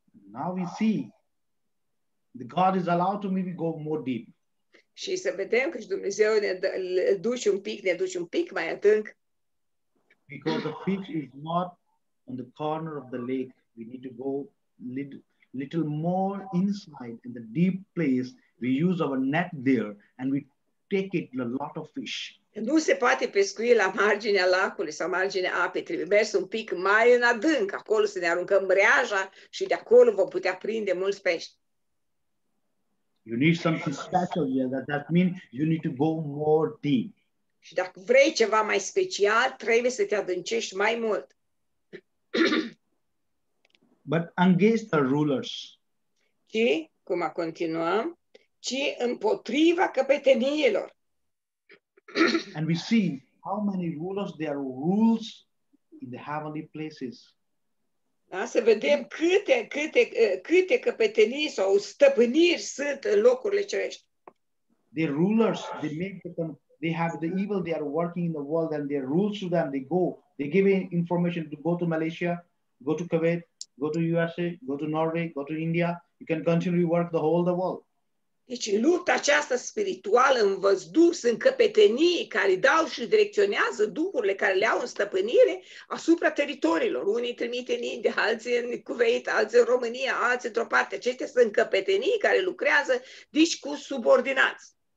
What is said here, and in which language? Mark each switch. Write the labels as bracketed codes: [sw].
[en] Now we see that God is allowed to maybe go more deep. [ro] Și să vedem că și Dumnezeu ne duce un pic mai adânc. [en] Because the fish is not on the corner of the lake, we need to go little more inside in the deep place. We use our net there and we take it a lot of fish. [ro] Nu se poate pescui la marginea lacului sau marginea apei, trebuie mers un pic mai în adânc, acolo să ne aruncăm mreaja și de acolo vom putea prinde mulți pești. [en] You need something special here. That means you need to go more deep. [ro] Și dacă vrei ceva mai special, trebuie să te adâncești mai mult. [en] But against the rulers. [ro] Și, cum a continuăm, ci împotriva căpeteniilor. [en] And we see how many rulers there rules in the heavenly places. [ro] Da, să vedem câte căpetenii sau stăpâniri sunt în locurile cerești. [en] The rulers, they make them, they have the evil, they are working in the world and they rule to them, they go. They give information to go to Malaysia, go to Kuwait, go to USA, go to Norway, go to India. You can continue to work the whole the world. [ro] Deci lupta aceasta spirituală în văzduh sunt căpetenii care dau și direcționează duhurile care le au în stăpânire asupra teritoriilor. Unii trimite în India, alții în Kuwait, alții în România, alții într-o parte. Acestea sunt căpetenii care lucrează, deci cu subordinați.